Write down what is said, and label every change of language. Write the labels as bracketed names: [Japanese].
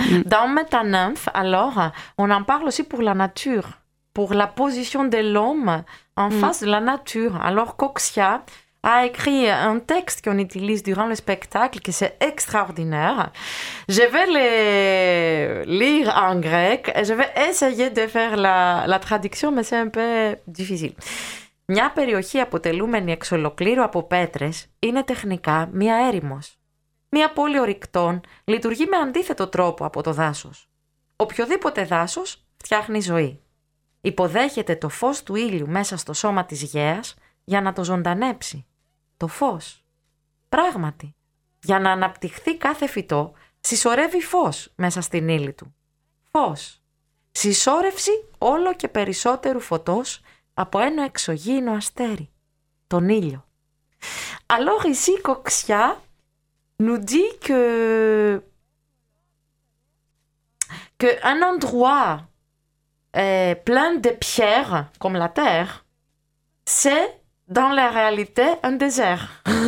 [French] Dans Métanymphe, alors, on en parle aussi pour la nature, pour la position de l'homme en face de la nature. Alors, Coxia a écrit un texte qu'on utilise durant le spectacle, que c'est extraordinaire. Je vais le lire en grec et je vais essayer de faire la traduction, mais c'est un peu difficile. [Greek] Μια περιοχή αποτελούμενη εξ ολοκλήρου από πέτρες είναι τεχνικά μια έρημος. Μια πόλη ορυκτών λειτουργεί με αντίθετο τρόπο από το δάσος. Οποιοδήποτε δάσος φτιάχνει ζωή. Υποδέχεται το φως του ήλιου μέσα στο σώμα της γέας για να το ζωντανέψει. Το φως. Πράγματι, για να αναπτυχθεί κάθε φυτό, συσσωρεύει φως μέσα στην ύλη του. Φως. Συσσόρευση όλο και περισσότερου φωτός από ένα εξωγήινο αστέρι, τον ήλιο. [French] Alors ici, Coxia nous dit qu'un endroit plein de pierres, comme la terre, c'est dans la réalité un désert.